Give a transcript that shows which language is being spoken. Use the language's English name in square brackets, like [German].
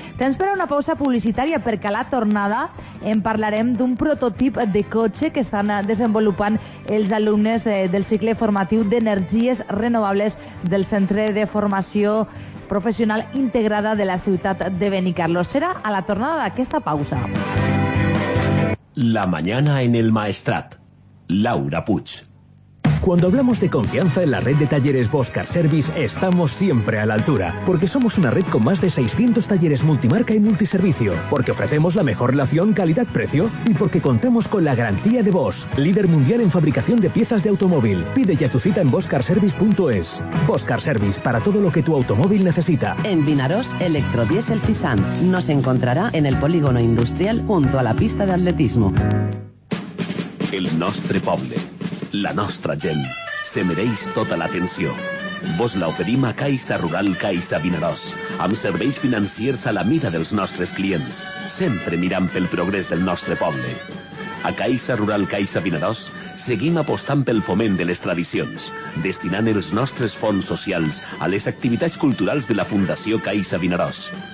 [Catalan] Tens per a una pausa publicitària, perquè a la tornada en parlarem d'un prototip de cotxe que estan desenvolupant els alumnes del cicle formatiu d'energies renovables del Centre de Formació Professional Integrada de la ciutat de Benicarló. Serà a la tornada d'aquesta pausa. [Spanish] La mañana en el Maestrat. Laura Puig. Cuando hablamos de confianza en la red de talleres Boscar Service, estamos siempre a la altura, porque somos una red con más de 600 talleres multimarca y multiservicio, porque ofrecemos la mejor relación calidad-precio y porque contamos con la garantía de Bosch, líder mundial en fabricación de piezas de automóvil. Pide ya tu cita en boscarservice.es. Boscar Service, para todo lo que tu automóvil necesita. En Vinaros, Electrodiesel Fisan. Nos encontrará en el polígono industrial junto a la pista de atletismo. [Catalan] El nostre poble. La nostra gent. Se mereix tota l'atenció. Vos la oferim a Caixa Rural Caixa Vinaròs, amb serveis financiers a la mida dels nostres clients, sempre mirant pel progrés del nostre poble. A Caixa Rural Caixa Vinaròs seguim apostant pel foment de les tradicions, destinant els nostres fons socials a les activitats culturals de la Fundació Caixa Vinaròs.